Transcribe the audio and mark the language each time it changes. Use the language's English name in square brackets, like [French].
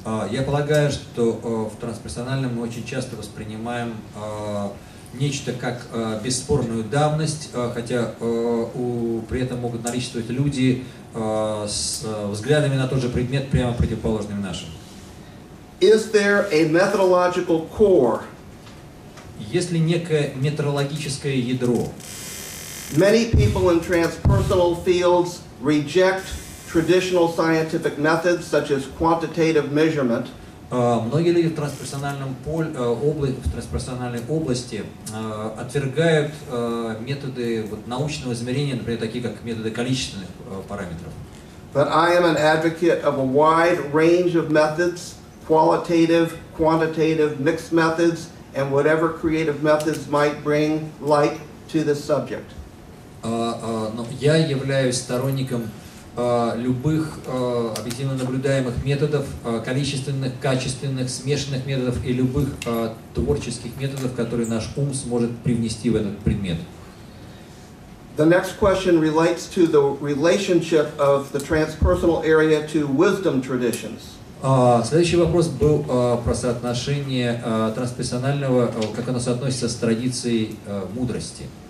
[Russian] Я полагаю, что в трансперсональном мы очень часто воспринимаем нечто как бесспорную давность, хотя при этом могут наличествовать люди с взглядами на тот же предмет, прямо противоположными нашим. [English] Is there a methodological core? [Russian] Есть ли некое методологическое ядро? [English] Many people in transpersonal fields reject traditional scientific methods, such as quantitative measurement. [Russian] Многие люди в трансперсональном в трансперсональной области отвергают методы научного измерения, например, такие как методы количественных параметров. [English] But I am an advocate of a wide range of methods, qualitative, quantitative, mixed methods, and whatever creative methods might bring light to this subject. [Russian] Но я являюсь сторонником любых объективно наблюдаемых методов, количественных, качественных, смешанных методов и любых творческих методов, которые наш ум сможет привнести в этот предмет. [English] The next question relates to the relationship of the transpersonal area to wisdom traditions. [Russian] Следующий вопрос был про соотношение трансперсонального, как оно соотносится с традицией мудрости.